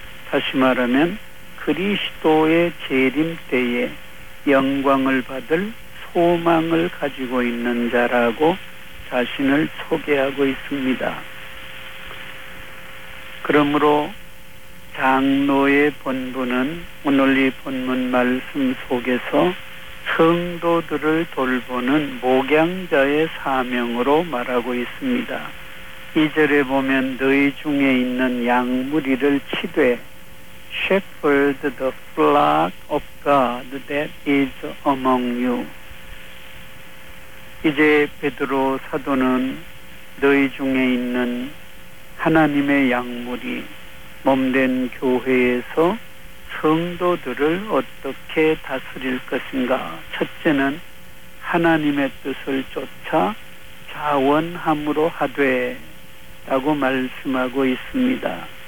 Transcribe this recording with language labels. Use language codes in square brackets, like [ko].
[ko] 다시 말하면 그리스도의 재림 때에 영광을 받을 소망을 가지고 있는 자라고 자신을 소개하고 있습니다. 그러므로 장로의 본분은 오늘 이 본문 말씀 속에서 성도들을 돌보는 목양자의 사명으로 말하고 있습니다. 2절에 보면 너희 중에 있는 양무리를 치되 [en] Shepherd the flock of God that is among you. [ko] 이제 베드로 사도는 너희 중에 있는 하나님의 양무리 몸된 교회에서 성도들을 어떻게 다스릴 것인가. 첫째는 하나님의 뜻을 쫓아 자원함으로 하되 라고 말씀하고 있습니다.